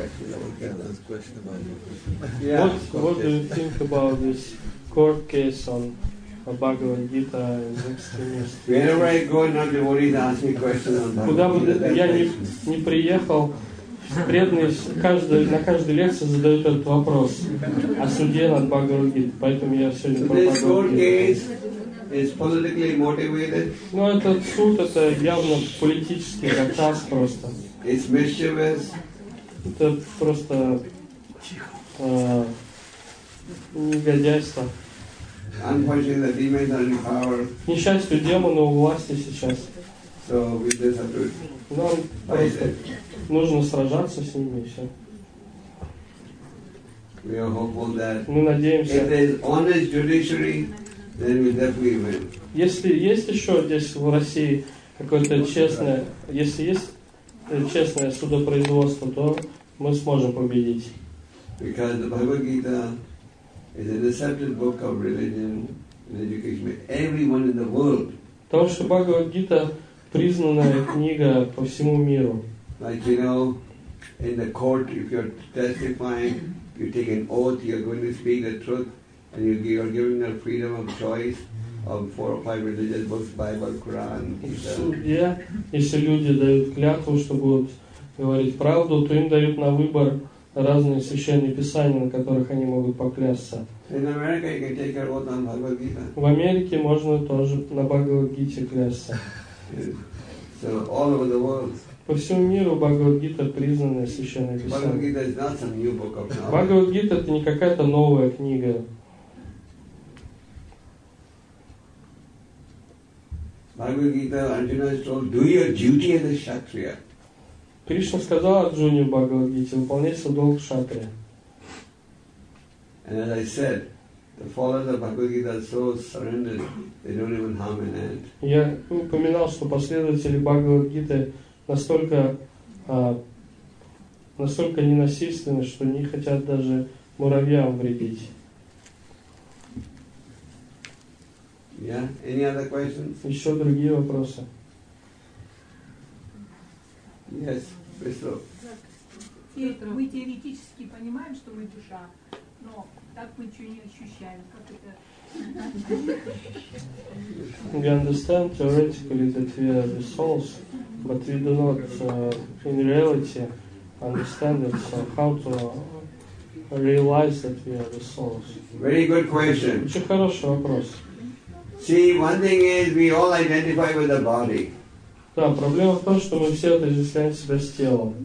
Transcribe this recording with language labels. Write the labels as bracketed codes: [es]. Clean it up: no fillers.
[en] What do you think about this court case on Bhagavad Gita and extremists? Wherever I go, now devotees ask me questions on Bhagavad Gita. [ru] Куда бы я ни приехал, преданные на каждой лекции задают этот вопрос о суде над Бхагавад Гитой, поэтому я сегодня про Бхагавад Гиту. [en] Is politically motivated. [ru] Ну, этот суд — это явно политический заказ просто. [en] It's mischievous. [ru] Это просто негодяйство. [en] Unfortunately, the demons are in power. [ru] Несчастью, демоны у власти сейчас. [en] So we just have to. [ru] Нам просто нужно сражаться с ними и все. [en] We are hopeful that. [ru] Мы надеемся. [en] If there is honest judiciary. Then we definitely win. [ru] Если есть еще здесь в России какое-то честное, если есть честное судопроизводство, то мы сможем победить. [en] Because the Bhagavad Gita is an accepted book of religion and education by everyone in the world. [ru] Потому что Бхагавад Гита признанная книга по всему миру. [en] Like you know, in the court, if you're testifying, you take an oath, you're going to speak the truth. And you are giving them freedom of choice of four or five religious books, Bible, Quran, Gita. [ru] Если люди дают клятву, что будут говорить правду, то им дают на выбор разные священные писания, на которых они могут поклясться. [en] In America, you can take your oath on Bhagavad Gita. [ru] В Америке можно тоже на Бхагавад Гите клясться. [en] So all over the world. [ru] По всему миру Бхагавад-гита признанная священная писание. [en] Бхагавад-гита is not some new book of knowledge. [ru] Бхагавад-гита — это не какая-то новая книга. [en] Bhagavad Gita, Arjuna is told, do your duty as a kshatriya. [ru] Кришна сказал Арджуне в Бхагавад-гите, выполняй свой долг кшатрия. [en] And as I said, The followers of Bhagavad Gita are so surrendered, they don't even harm an ant. [ru] Я упоминал, что последователи Бхагавад Гиты настолько настолько ненасильственны, что не хотят даже муравьям вредить. [en] Yeah. Any other questions? [ru] Еще другие вопросы? [en] Yes, please. [ru] Мы теоретически понимаем, что мы душа, но так мы ничего не ощущаем. Как это? [en] We understand theoretically that we are the souls, but we do not in reality understand it. So how to realize that we are the souls? Very good question. [ru] Очень хороший вопрос. [en] See, one thing is we all identify with the body. [ru] Да, проблема в том, что мы все отождествляем себя с телом.